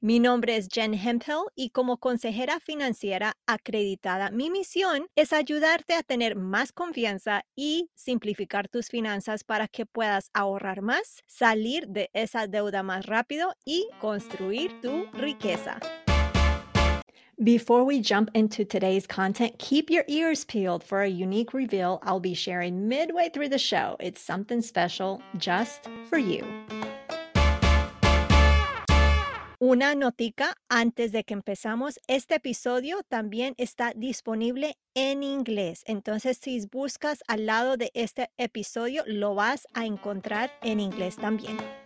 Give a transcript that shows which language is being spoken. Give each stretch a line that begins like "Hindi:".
Spanish: Mi nombre es Jen Hemphill y como consejera financiera acreditada, mi misión es ayudarte a tener más confianza y simplificar tus finanzas para que puedas ahorrar más, salir de esa deuda más rápido y construir tu riqueza.
English: Before we jump into today's content, keep your ears peeled for a unique reveal I'll be sharing midway through the show. It's something special just for you.
Spanish: Una notica antes de que empezamos, este episodio también está disponible en inglés. Entonces, si buscas al lado de este episodio, lo vas a encontrar en inglés también.